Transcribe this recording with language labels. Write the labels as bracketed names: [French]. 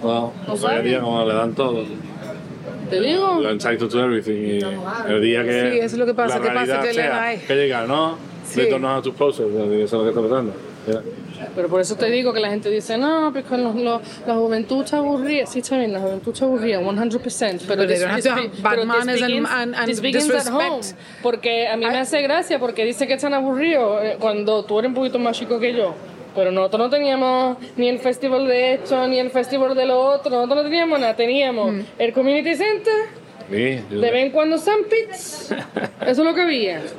[English] Well, [Spanish] no saben. Como le dan todo. Te digo. Lo [English] entitled to everything. [Spanish] El día que... Sí, eso es lo que pasa, que pasa que le da. Que llega, ¿no? Sí. [English] They don't know how to process, [Spanish] eso es lo que está pasando. Pero por eso te digo que la gente dice, no, porque la juventud está aburrida. Sí, está bien, la juventud está aburrida, 100%. Pero [English] they don't have to have bad manners and disrespect. [Spanish] Porque a mí me hace gracia, porque dice que están aburridos cuando tú eres un poquito más chico que yo. Pero nosotros no teníamos ni el festival de esto, ni el festival de lo otro. Nosotros no teníamos nada. Teníamos el community center... Sí, de vez en cuando sandpits, eso es lo que había.